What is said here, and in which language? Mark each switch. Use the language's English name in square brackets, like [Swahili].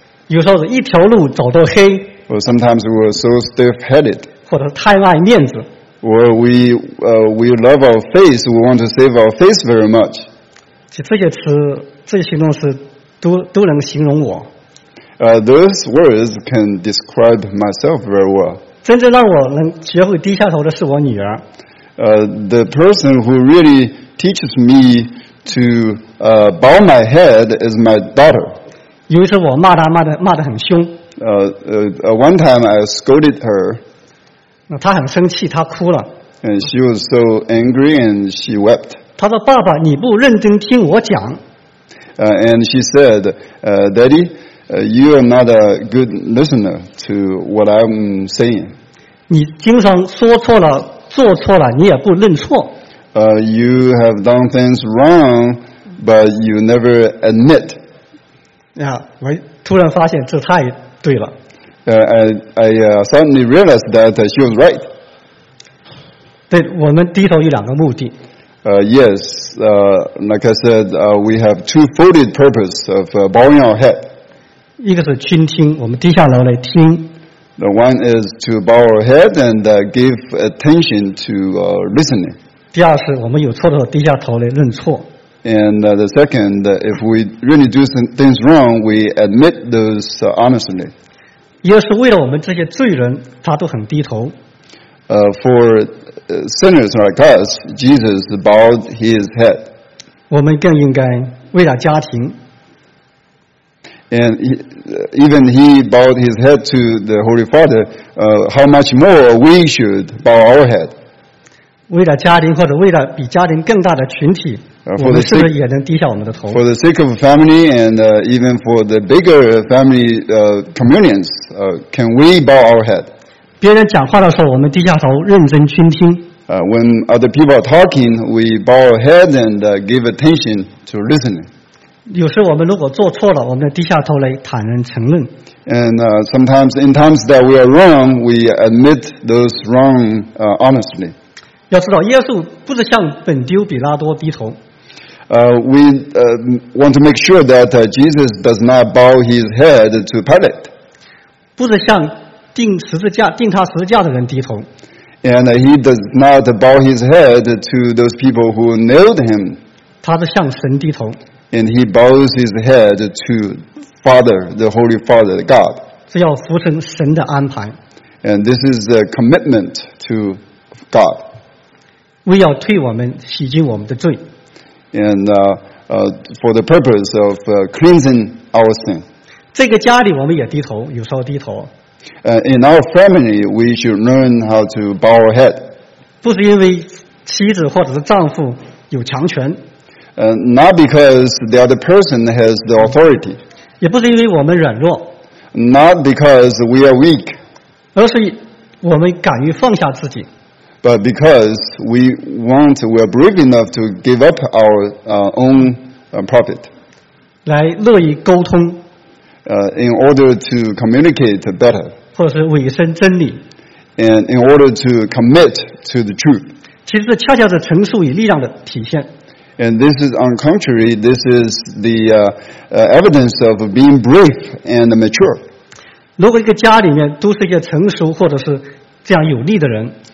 [Chinese] 有时候是一条路走到黑。 [English] Or sometimes we're so stiff-headed. [Chinese] 或者是太爱面子。 [English] Or we love our face, we want to save our face very much. [Chinese] 这些词，这些形容词都能形容我。 [English] Those words can describe myself very well. [Chinese] 真正让我能学会低下头的是我女儿。 [English] The person who really teaches me to bow my head is my daughter. [Chinese] 有一次我骂她骂得很凶。 [English] One time I scolded her. [Chinese] 那他很生气，他哭了。 [English] And she was so angry, and she wept. [Chinese] 他说：“爸爸，你不认真听我讲。” [English] And she said, "Daddy, you are not a good listener to what I'm saying." [Chinese] 你经常说错了，做错了，你也不认错。 [English] You have done things wrong, but you never admit. [Chinese] 呀，我突然发现这太对了。 [English] I suddenly realized that she was right. [Chinese] 对，我们低头有两个目的。 [English] Yes, like I said, we have two-folded purpose of bowing our head. [Chinese] 一个是倾听，我们低下头来听。 [English] The one is to bow our head and give attention to listening. [Chinese] 第二是我们有错的时候低下头来认错。 [English] And the second, if we really do things wrong, we admit those honestly. [Chinese] 耶稣为了我们这些罪人，他都很低头。 [English] For sinners like us, Jesus bowed his head. [Chinese] 我们更应该为了家庭。 [English] And he, even he bowed his head to the Holy Father, how much more we should bow our head. [Chinese] 为了家庭或者为了比家庭更大的群体，我们是不是也能低下我们的头？ [English] For the sake of family and even for the bigger family communions, can we bow our head? [Chinese] 别人讲话的时候，我们低下头，认真倾听。 [English] When other people are talking, we bow our head and give attention to listening. [Chinese] 有时我们如果做错了，我们低下头来坦然承认。 [English] And sometimes, in times that we are wrong, we admit those wrong honestly. [Chinese] 要知道，耶稣不是向本丢比拉多低头。 [English] We want to make sure that Jesus does not bow his head to Pilate. [Chinese] 不是向钉十字架钉他十字架的人低头。 [English] And he does not bow his head to those people who nailed him. [Chinese] 他是向神低头。 [English] And he bows his head to Father, the Holy Father, God. [Chinese] 是要服从神的安排。 [English] And this is a commitment to God. [Chinese] 为要退我们，洗净我们的罪。 [English] And for the purpose of cleansing our sin. [Chinese] 这个家里我们也低头，有时候低头。 [English] In our family, we should learn how to bow our head. [Chinese] 不是因为妻子或者是丈夫有强权。 [English] Not because the other person has the authority. [Chinese] 也不是因为我们软弱。 [English] Not because we are weak. [Chinese] 而是我们敢于放下自己。 [English] But because we are brave enough to give up our own profit. [Chinese] 来乐意沟通。 [English] In order to communicate better, [Chinese] 或者是委身真理， [English] and in order to commit to the truth, [Chinese] 其实恰恰是陈述与力量的体现。 [English] And this is on contrary, this is the evidence of being brave and mature. [Chinese] 如果一个家里面都是一个成熟或者是这样有力的人，